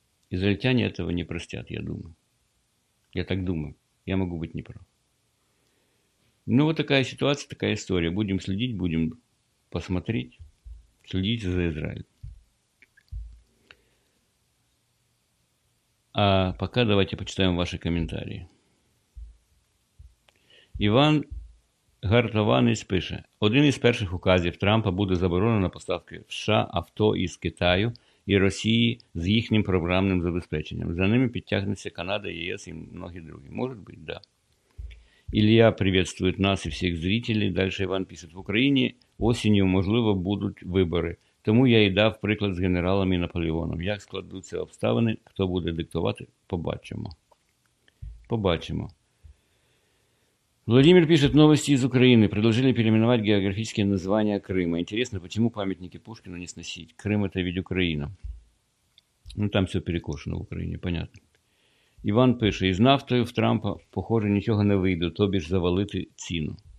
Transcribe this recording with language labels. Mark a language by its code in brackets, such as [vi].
[ru] Израильтяне этого не простят, я думаю. Я так думаю. Я могу быть неправ. Ну, вот такая ситуация, такая история. Будем следить, будем посмотреть. Следить за Израилем. А пока давайте почитаем ваши комментарии. [uk] Іван Гартованець пише: один із перших указів Трампа буде заборонено на поставки в США авто із Китаю і Росії з їхнім програмним забезпеченням. За ними підтягнеться Канада, ЄС і многі другі. Може бути, так. Да. Ілія привітає нас і всіх зрителів. Далі Іван пише: в Україні осінню, можливо, будуть вибори. Тому я і дав приклад з генералом і Наполеоном. Як складуться обставини, хто буде диктувати, побачимо. Побачимо. [ru] Владимир пишет: новости из Украины. Предложили переименовать географические названия Крыма. Интересно, почему памятники Пушкину не сносить? Крым – это ведь Украина. Ну, там все перекошено в Украине, понятно. Иван пишет: из нафтою в Трампа, похоже, ничего не выйдет, то бишь [uk] завалити ціну.